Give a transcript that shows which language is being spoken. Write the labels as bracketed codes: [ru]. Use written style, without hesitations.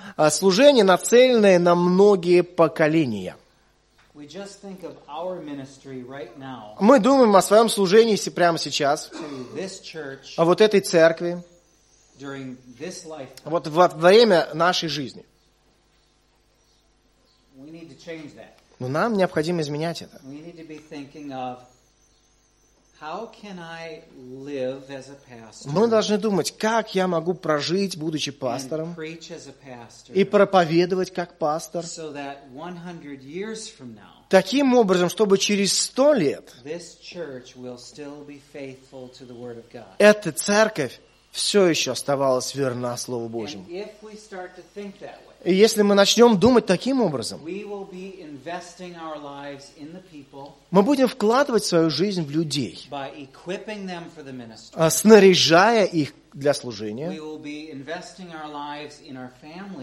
[ru] Служение, нацеленное на многие поколения. [en] We just think of our ministry right now. [ru] Мы думаем о своем служении прямо сейчас. [en] To this church. [ru] А вот этой церкви. [en] During this life, [ru] вот во время нашей жизни. [en] We need to change that. [ru] Но нам необходимо изменять это. [en] We need to be thinking of how can I live as a pastor. [ru] Мы должны думать, как я могу прожить, будучи пастором, [en] and preach as a pastor, [ru] и проповедовать как пастор, [en] so that 100 years from now, [ru] таким образом, чтобы через 100 лет [en] this church will still be faithful to the word of God. [ru] Эта церковь все еще оставалось верно Слову Божьему. И если мы начнем думать таким образом, мы будем вкладывать свою жизнь в людей, снаряжая их для служения.